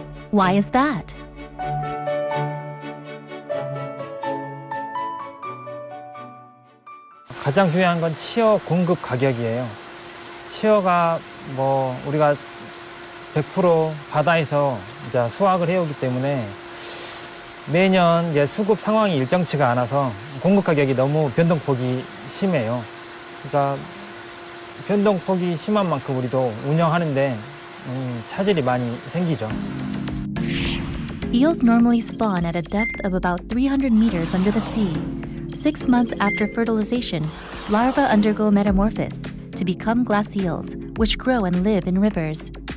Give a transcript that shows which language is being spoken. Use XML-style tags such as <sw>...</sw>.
<en>Why is that? The most important thing is the price of the fish.</en> <ko>치어가 뭐 우리가 100% 바다에서 이제 수확을 해오기 때문에 매년 이제 수급 상황이 일정치가 않아서 공급 가격이 너무 변동폭이 심해요. 그러니까 변동폭이 심한 만큼 우리도 운영하는데 차질이 많이 생기죠.</ko> <en>Eels normally spawn at a depth of about 300 meters under the sea. 6 months after fertilization, larvae undergo metamorphosis to become glass eels, which grow and live in rivers.</en>